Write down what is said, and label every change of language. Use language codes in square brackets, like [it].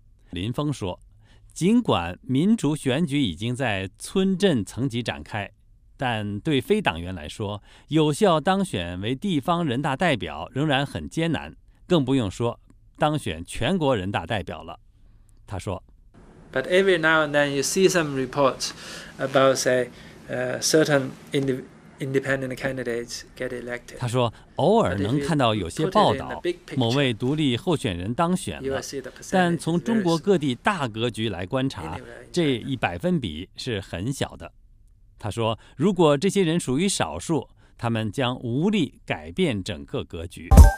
[zh] 林峰说，尽管民主选举已经在村镇层级展开，但对非党员来说，有效当选为地方人大代表仍然很艰难，更不用说当选全国人大代表了。他说 [en] But every now and then you see some reports about say certain independent candidates get elected. [zh] 他说偶尔能看到有些报道某位独立候选人当选了，但从中国各地大格局来观察，这一百分比是很小的。他说，如果这些人属于少数，他们将无力改变整个格局。